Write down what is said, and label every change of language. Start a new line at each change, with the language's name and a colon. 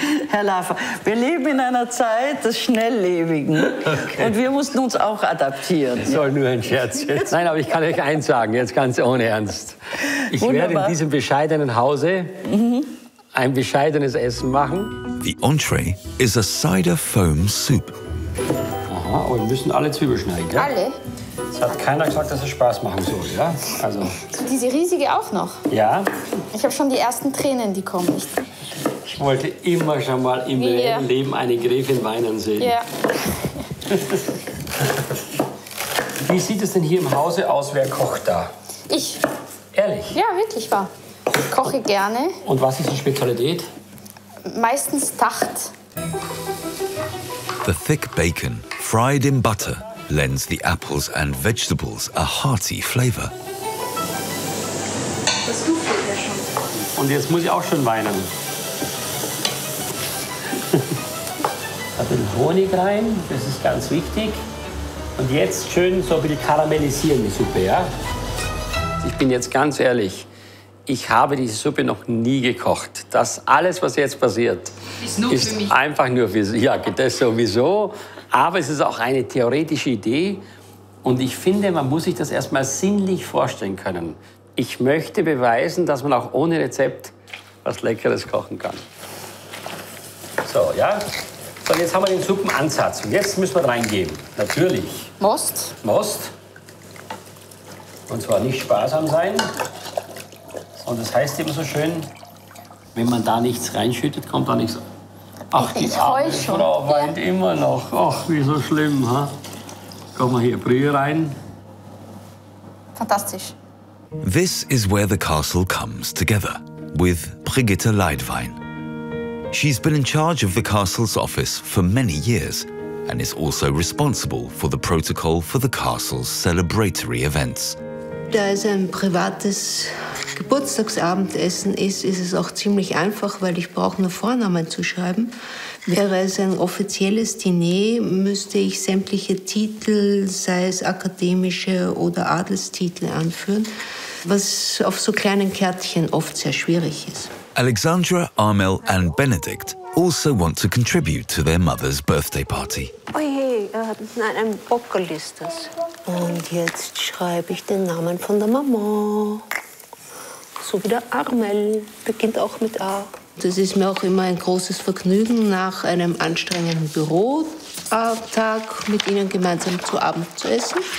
German: Herr Lafer, wir leben in einer Zeit des Schnelllebigen. Okay. Und wir mussten uns auch adaptieren. Das soll nur ein Scherz jetzt. Nein, aber ich kann euch eins sagen, jetzt ganz ohne Ernst. Ich werde in diesem bescheidenen Hause ein bescheidenes Essen machen.
English: The entree is a cider foam soup.
German: Aha, und wir müssen alle Zwiebeln schneiden, gell? Alle? Es hat keiner gesagt, dass es Spaß machen soll, ja? Also. Diese riesige auch noch? Ja. Ich habe schon die ersten Tränen, die kommen. Ich wollte immer schon mal im Leben eine Gräfin weinen sehen. Ja. Wie sieht es denn hier im Hause aus, wer kocht da? Ich. Ehrlich? Ja, wirklich wahr. Ich koche gerne. Und was ist die Spezialität? Meistens Tacht.
English: The thick bacon, fried in butter, lends the apples and vegetables a hearty flavor.
German: Das duftet ja schon. Und jetzt muss ich auch schon weinen. Da bin ich Honig rein, das ist ganz wichtig. Und jetzt schön so ein bisschen karamellisieren, die Suppe, ja? Ich bin jetzt ganz ehrlich. Ich habe diese Suppe noch nie gekocht. Das alles, was jetzt passiert, ist für mich einfach nur für Sie. Ja, das sowieso. Aber es ist auch eine theoretische Idee. Und ich finde, man muss sich das erstmal sinnlich vorstellen können. Ich möchte beweisen, dass man auch ohne Rezept was Leckeres kochen kann. So, ja. So, jetzt haben wir den Suppenansatz. Und jetzt müssen wir reingeben. Natürlich. Most. Most. Und zwar nicht sparsam sein. Und das heißt eben so schön, wenn man da nichts reinschüttet, kommt da nichts. Ach, die Frau weint immer noch. Ach, wie so schlimm, ha? Komm mal hier Brühe rein. Fantastisch.
English: This is where the castle comes together with Brigitte Leidwein. She's been in charge of the castle's office for many years and is also responsible for the protocol for the castle's celebratory events.
German: Da es ein privates Geburtstagsabendessen ist, ist es auch ziemlich einfach, weil ich brauche nur Vornamen zu schreiben. Wäre es ein offizielles Diner, müsste ich sämtliche Titel, sei es akademische oder Adelstitel, anführen, was auf so kleinen Kärtchen oft sehr schwierig ist.
English: Alexandra, Armel and Benedict also want to contribute to their mother's birthday party.
German: Oje, nein, ein Bockel ist das. Und jetzt schreibe ich den Namen von der Mama. So wie der Armel, beginnt auch mit A. Das ist mir auch immer ein großes Vergnügen, nach einem anstrengenden Bürotag mit Ihnen gemeinsam zu Abend zu essen.